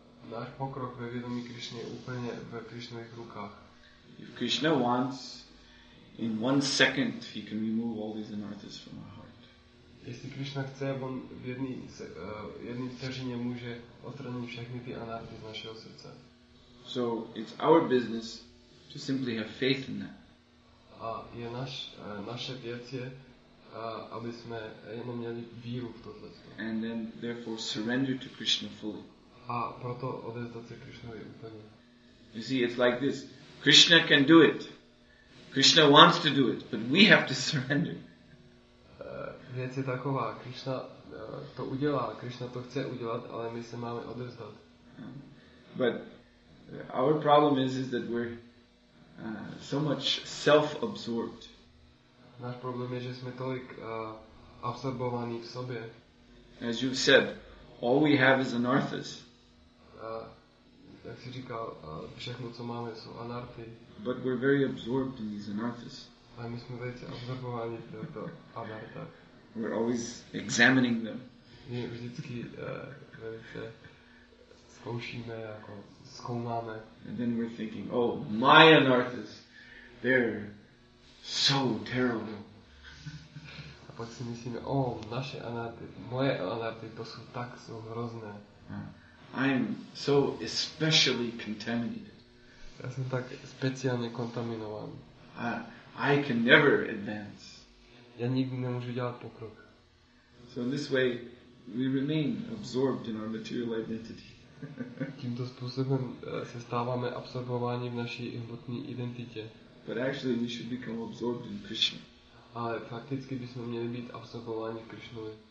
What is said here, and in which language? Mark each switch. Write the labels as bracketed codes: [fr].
[cs] Náš pokrok ve vědomí Krišny je úplně ve Krišnových rukách. [en] If Krishna wants, in one second he can remove all these anarthas from our heart. [cs] jestli Krishna chce, on v jedné vteřině může odtrhnout všechny ty anarchy z našeho srdce. [en] So it's our business to simply have faith in that. [cs] A je naše věc je, aby jsme jenom měli víru v tohle. [en] And then therefore surrender to Krishna fully. [cs] A proto odevzdat se Krishnovi úplně. [en] You see, it's like this. Krishna can do it. Krishna wants to do it, but we have to surrender. [cs] Věc je taková, Krishna to udělá, Krishna to chce udělat, ale my se máme odevzdat. [en] But our problem is that we're so much self-absorbed. [cs] Náš problém je, že jsme tolik absorbovaní v sobě. [en] As you said, all we have is anarthas. [cs] Jak jsi říkal, všechno, co máme, jsou anarthy. [en] But we're very absorbed in these anarthas. [cs] A my jsme velice absorbovaní v těchto anarthách. [en] We're always examining them. [cs] My vždycky velice zkoušíme, jako zkoumáme. [en] And then we're thinking, oh, my anarthas, they're so terrible. [cs] A pak si myslíme, oh, naše anarthy, moje anarthy, to jsou tak, jsou hrozné. [en] I am so especially contaminated. [cs] Já jsem tak speciálně kontaminovaný. [en] I can never advance. [cs] Já nikdy nemůžu dělat pokrok. [en] So in this way, we remain absorbed in our material identity. [cs] Tímto způsobem se stáváme absorbováni v naší hmotné identitě. [en] But actually, we should become absorbed in Krishna. [cs] Ale fakticky bychom měli být absorbováni v Krishnovi.